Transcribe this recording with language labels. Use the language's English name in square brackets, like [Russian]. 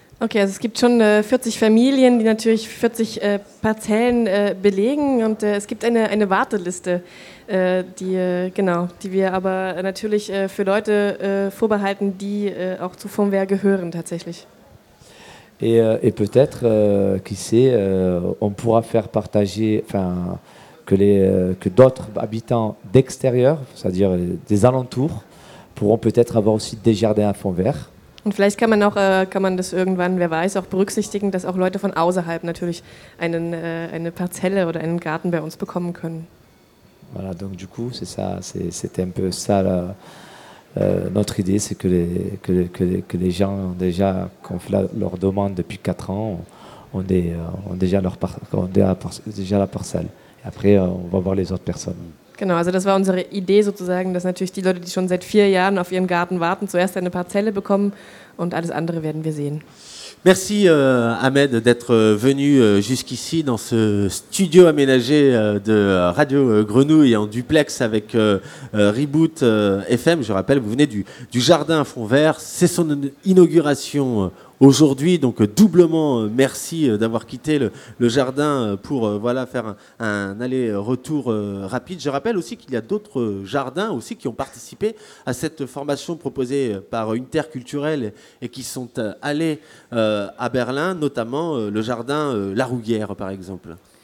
[German] Okay, also es gibt schon 40 Familien, die natürlich 40 Parzellen belegen und es gibt eine Warteliste, die wir aber natürlich für Leute vorbehalten, die auch zu Von Wehr gehören tatsächlich. [French] Et peut-être, qui sait, on pourra faire partager, enfin, que d'autres habitants d'extérieur, c'est-à-dire des alentours, pourront peut-être avoir aussi des jardins à Von Wehr. [German] Und vielleicht kann man das irgendwann, wer weiß, auch berücksichtigen, dass auch Leute von außerhalb natürlich eine Parzelle oder einen Garten bei uns bekommen können. [French] Voilà, donc du coup, c'est ça, c'était un peu ça la, notre idée, c'est que les gens ont déjà qu'on fait leur demande depuis 4 ans, ont déjà la parcelle. Et après, on va voir les autres personnes. [German] Genau, also das war unsere Idee sozusagen, dass natürlich die Leute, die schon seit 4 Jahren auf ihren Garten warten, zuerst eine Parzelle bekommen und alles andere werden wir sehen. [French] Merci Ahmed d'être venu jusqu'ici dans ce studio aménagé de Radio Grenouille en duplex avec Reboot FM. Je rappelle, vous venez du jardin à Fonds Vert, c'est son inauguration aujourd'hui, donc doublement merci d'avoir quitté le jardin pour voilà, faire un aller-retour rapide. Je rappelle aussi qu'il y a d'autres jardins aussi qui ont participé à cette formation proposée par une terre culturelle et qui sont allés à Berlin, notamment le jardin La Rouguière, par exemple.